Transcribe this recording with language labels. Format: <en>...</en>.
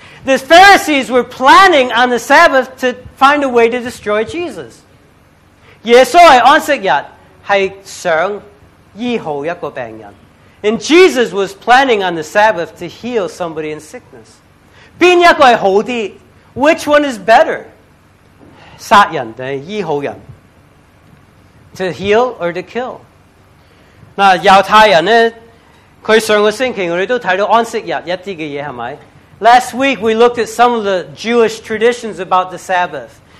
<en>The Pharisees were planning on the Sabbath to find a way to destroy Jesus.</en> <zh>耶穌在安息日是想醫好一個病人。</zh> <en>And Jesus was planning on the Sabbath to heal somebody in sickness.</en> <zh>哪一個是好的?</zh> <en>Which one is better?</en> <zh>殺人還是醫好人?</zh> <en>To heal or to kill?</en> <zh>那猶太人呢? 他上個星期我們都看到安息日一些的東西,是不是?</zh> <en>Last week, we looked at some of the Jewish traditions about the Sabbath.</en>